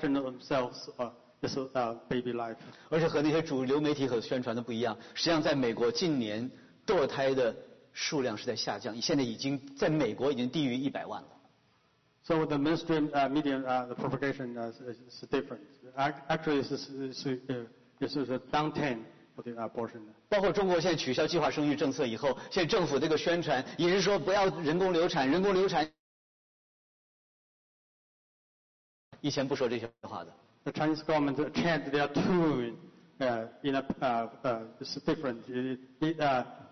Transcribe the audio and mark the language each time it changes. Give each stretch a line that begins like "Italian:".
English: It is about life. The most innocent, the most weak, no protection of themselves, is baby life.
Chinese: 而且和那些主流媒体所宣传的不一样，实际上在美国近年堕胎的数量是在下降，现在已经在美国已经低于100万了。
English: So the mainstream media propagation is different. Actually, this is a downturn for the abortion.
Chinese: 包括中国现在取消计划生育政策以后，现在政府这个宣传也是说不要人工流产，人工流产。以前不说这些话的。
English: The Chinese government changed their tune in a different.